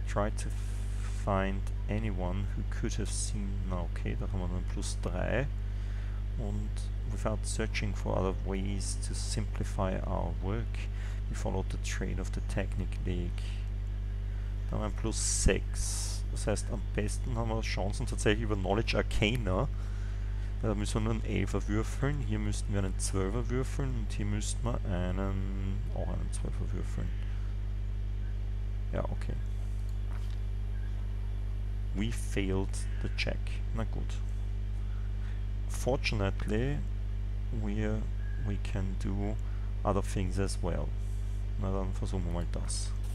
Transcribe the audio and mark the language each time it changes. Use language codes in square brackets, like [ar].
[en] Try to find anyone who could have seen. [de] Na okay, da haben wir dann +3. [en] Und without searching for other ways to simplify our work, we followed the trail of the Technic League. [de] Dann haben wir +6. Das heißt, am besten haben wir Chancen tatsächlich über Knowledge Arcana. Da müssen wir nur einen 11er würfeln, hier müssten wir einen 12er würfeln und hier müssten wir einen auch einen 12er würfeln. Ja, okay. [en] We failed the check. [de] Na gut. [en] Fortunately, we're we can do other things as well. [de] Na dann versuchen wir mal das.